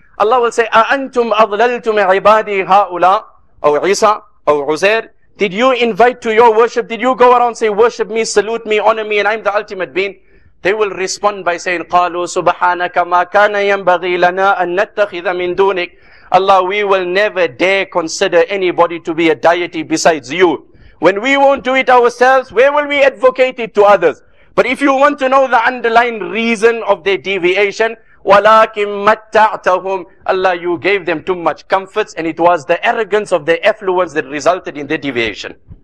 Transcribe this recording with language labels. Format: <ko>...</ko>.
<ar>Allah will say, أَأَنْتُمْ أَضْلَلْتُمْ عِبَادِي هَؤُلَىٰ أو Isa, أو عُزَيْرِ.</ar> <en>Did you invite to your worship? Did you go around say, worship me, salute me, honor me, and I'm the ultimate being? They will respond by saying,</en> <ar>قَالُوا سُبْحَانَكَ مَا كَانَ يَنْبَغِي لَنَا أَن نَتَّخِذَ مِن دُونِكَ.</ar> <en>Allah, we will never dare consider anybody to be a deity besides you. When we won't do it ourselves, where will we advocate it to others? But if you want to know the underlying reason of their deviation,</en> <ar>وَلَكِمْ مَتَّعْتَهُمْ.</ar> <en>Allah, you gave them too much comforts, and it was the arrogance of their affluence that resulted in their deviation.</en>